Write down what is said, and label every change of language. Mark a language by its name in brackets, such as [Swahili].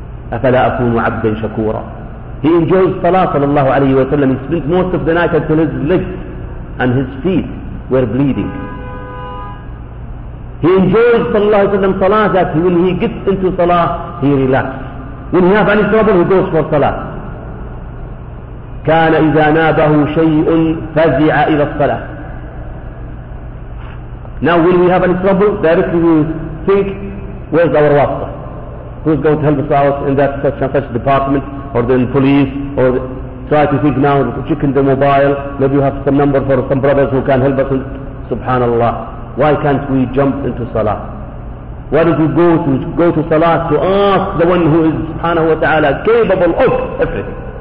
[Arabic] أَفَلَا أَكُونُ عَبْدًا شَكُورًا. [English] He enjoys Salah sallallahu alayhi wa sallam. He spent most of the night until his legs and his feet were bleeding. He enjoys sallallahu alayhi wa sallam Salah, that when he gets into Salah, he relaxes. When he has any trouble, he goes for Salah. [Arabic] كان إذا نابه شيء فزع إلى الصلاة. [English] Now when we have any trouble, directly we think, where's our wasta? Who's going to help us out in that such and such department, or the police, or the, try to think now, check in the mobile, maybe you have some number for some brothers who can help us. Subhanallah. Why can't we jump into Salah? Why don't we go to Salah to ask the one who is subhanahu wa ta'ala capable of everything?